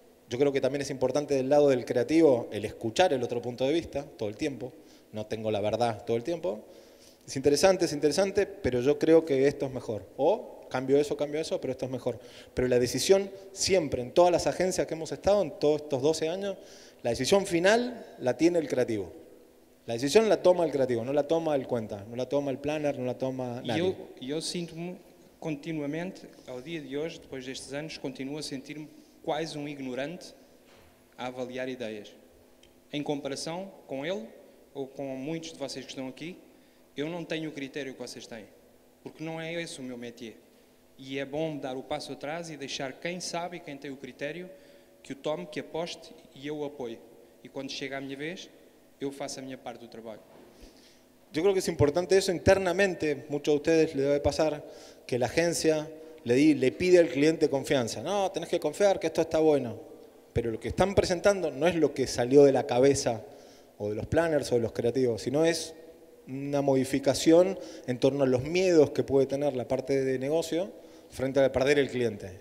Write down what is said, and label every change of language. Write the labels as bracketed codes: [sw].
[es] Yo creo que también es importante del lado del creativo el escuchar el otro punto de vista todo el tiempo. No tengo la verdad todo el tiempo. Es interesante, pero yo creo que esto es mejor. O cambio eso, pero esto es mejor. Pero la decisión siempre, en todas las agencias que hemos estado en todos estos 12 años, la decisión final la tiene el creativo. [pt] A decisão la toma o criativo, não la toma o cuenta, não la toma o planner, não la toma nada. Eu sinto-me continuamente, ao dia de hoje, depois destes anos, continuo a sentir-me quase um ignorante a avaliar ideias. Em comparação com ele, ou com muitos de vocês que estão aqui, eu não tenho o critério que vocês têm, porque não é esse o meu métier. E é bom dar o passo atrás e deixar quem sabe e quem tem o critério que o tome, que aposte e eu o apoie. E quando chega a minha vez... [es] yo hago mi parte del trabajo. Yo creo que es importante eso internamente, muchos de ustedes les debe pasar, que la agencia le pide al cliente confianza. No, tenés que confiar que esto está bueno. Pero lo que están presentando no es lo que salió de la cabeza o de los planners o de los creativos, sino es una modificación en torno a los miedos que puede tener la parte de negocio frente a perder el cliente.